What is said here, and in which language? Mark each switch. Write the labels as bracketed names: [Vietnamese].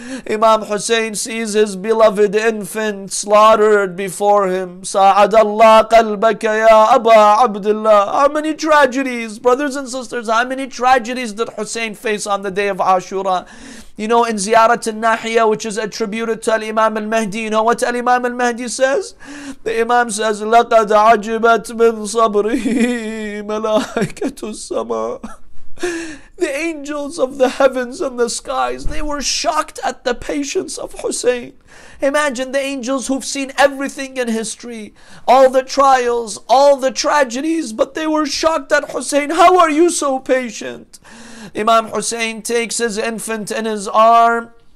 [English] Imam Hussein sees his beloved infant slaughtered before him. [Arabic] Sa'adallah qalbaka ya Aba Abdullah. [English] How many tragedies, brothers and sisters, how many tragedies did Hussein face on the day of Ashura? You know, in Ziyarat al-Nahiyah, which is attributed to al-Imam al-Mahdi, you know what al-Imam al-Mahdi says? The Imam says, [Arabic] "لَقَدْ عَجِبَتْ مِنْ صَبْرِهِ مَلَائِكَةُ السَّمَاءِ." [English] The angels of the heavens and the skies, they were shocked at the patience of Hussein. Imagine the angels who've seen everything in history, all the trials, all the tragedies, but they were shocked at Hussein. How are you so patient? Imam Hussein takes his infant in his arm.